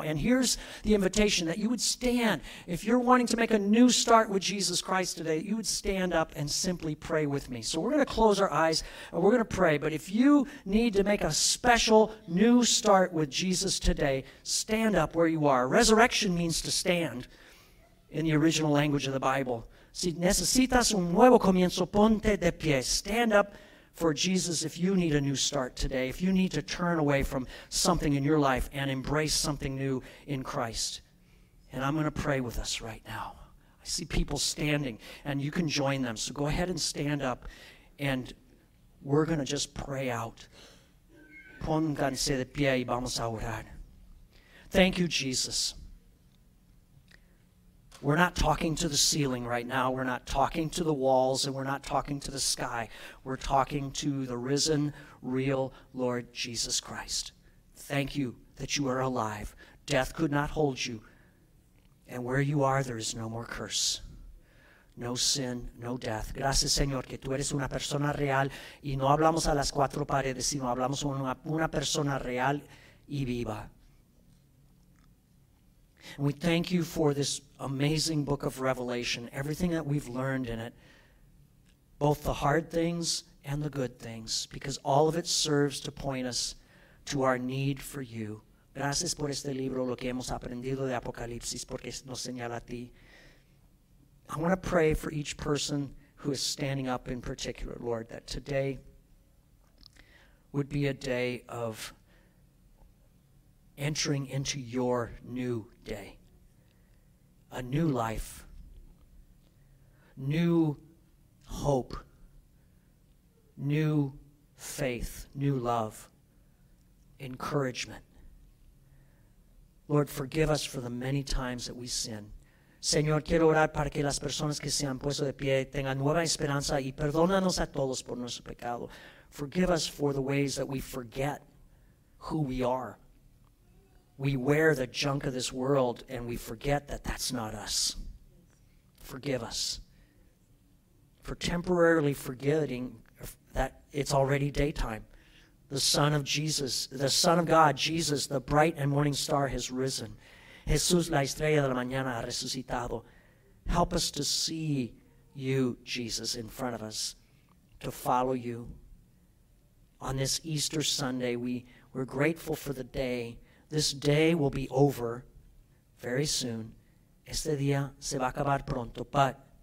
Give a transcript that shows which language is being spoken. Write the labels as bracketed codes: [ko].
[en] And here's the invitation, that you would stand. If you're wanting to make a new start with Jesus Christ today, you would stand up and simply pray with me. So we're going to close our eyes, and we're going to pray. But if you need to make a special new start with Jesus today, stand up where you are. Resurrection means to stand in the original language of the Bible. [es] Si necesitas un nuevo comienzo, ponte de pie. [en] Stand up for Jesus, if you need a new start today, if you need to turn away from something in your life and embrace something new in Christ. And I'm going to pray with us right now. I see people standing, and you can join them. So go ahead and stand up, and we're going to just pray out. [es] Pónganse de pie y vamos a orar. [en] Thank you, Jesus. We're not talking to the ceiling right now. We're not talking to the walls, and we're not talking to the sky. We're talking to the risen, real Lord Jesus Christ. Thank you that you are alive. Death could not hold you. And where you are, there is no more curse. No sin, no death. [es] Gracias, Señor, que tú eres una persona real. Y no hablamos a las cuatro paredes, sino hablamos a una persona real y viva. [en] And we thank you for this amazing book of Revelation, everything that we've learned in it, both the hard things and the good things, because all of it serves to point us to our need for you. [es] Gracias por este libro, lo que hemos aprendido de Apocalipsis, porque nos señala a ti. [en] I want to pray for each person who is standing up in particular, Lord, that today would be a day of entering into your new day, a new life, new hope, new faith, new love, encouragement. Lord, forgive us for the many times that we sin. [es] Señor, quiero orar para que las personas que se han puesto de pie tengan nueva esperanza y perdónanos a todos por nuestro pecado. [en] Forgive us for the ways that we forget who we are. We wear the junk of this world and we forget that that's not us. Forgive us for temporarily forgetting that it's already daytime. The Son of God, Jesus, the bright and morning star, has risen. [es] Jesús, la estrella de la mañana, ha resucitado. [en] Help us to see you, Jesus, in front of us, to follow you. On this Easter Sunday, we're grateful for the day. This day will be over very soon. [es] Este día se va a acabar pronto, but